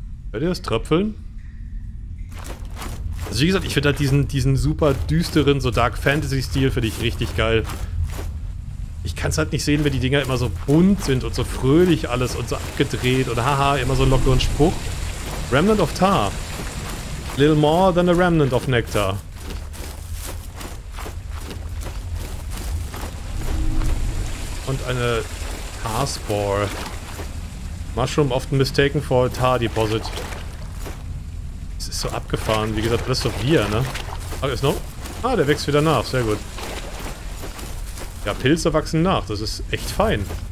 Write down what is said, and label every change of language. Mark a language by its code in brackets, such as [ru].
[de] Hört ihr das Tröpfeln? Also wie gesagt, ich finde halt diesen super düsteren, so Dark Fantasy-Stil für dich richtig geil. Ich kann es halt nicht sehen, wenn die Dinger immer so bunt sind und so fröhlich alles und so abgedreht und haha, immer so einen lockeren Spruch. [en] Remnant of Tar. Little more than a remnant of nectar. [de] Und eine Tar Spore. [en] Mushroom often mistaken for a tar deposit. [de] Es ist so abgefahren, wie gesagt, alles so wir, ne? Ah, ist noch. Ah, der wächst wieder nach, sehr gut. Ja, Pilze wachsen nach, das ist echt fein.